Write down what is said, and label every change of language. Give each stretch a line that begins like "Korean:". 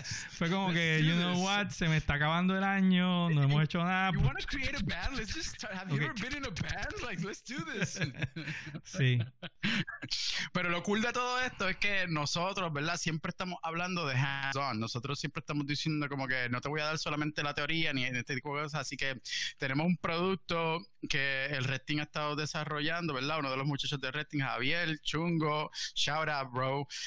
Spanish: Fue como que,
English: you know what,
Spanish: se me está acabando el año, no hemos hecho nada.
English: You want to create a band? Let's just start. Have you ever been in a band? Like, let's do this.
Spanish: Sí. Pero lo cool de todo esto es que nosotros, ¿verdad? Siempre estamos hablando de hands-on. Nosotros siempre estamos diciendo como que no te voy a dar solamente la teoría ni este tipo de cosas. Así que tenemos un producto que el Red Team ha estado desarrollando, ¿verdad? Uno de los muchachos de Red Team, Javier, Chungo,
English: shout out, bro.